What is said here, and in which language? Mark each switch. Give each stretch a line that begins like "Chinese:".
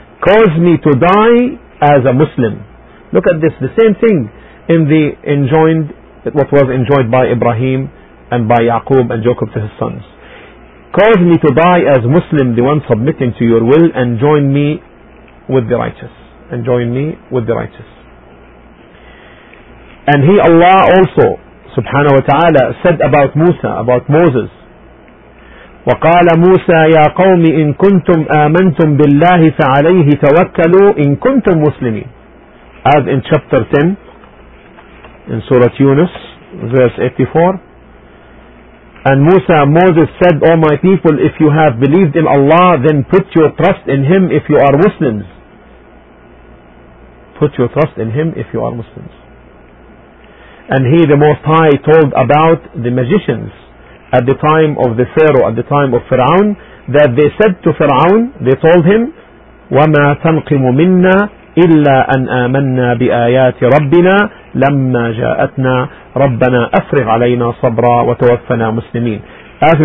English: Cause me to die as a Muslim." Look at this, the same thing in the enjoined, what was enjoined by Ibrahim and by Yaqub and Jacob to his sons. "Cause me to die as Muslim, the one submitting to your will, and join me with the righteous." And join me with the righteous. And He, Allah, also, subhanahu wa ta'ala, said about Musa, about Moses,
Arabic: وَقَالَ مُوسَى يَا قَوْمِ إِن كُنْتُمْ آمَنْتُمْ بِاللَّهِ فَعَلَيْهِ تَوَكَّلُوا إِن كُنْتُمْ مُسْلِمِينَ.
English: As in chapter 10, in Surah Yunus, verse 84, and Musa, Moses said, "O my people, if you have believed in Allah, then put your trust in Him if you are Muslims." Put your trust in Him if you are Muslims. And He, the Most High, told about the magicians at the time of the Pharaoh, at the time of Fir'aun, that they said to Fir'aun, they told him,
Arabic: وَمَا تَنْقِمُ مِنَّا إِلَّا أَنْ آمَنَّا بِآيَاتِ رَبِّنَا لَمَّا جَاءَتْنَا رَبَّنَا أَفْرِغْ عَلَيْنَا صَبْرًا وَتَوَفَّنَا مُسْلِمِينَ.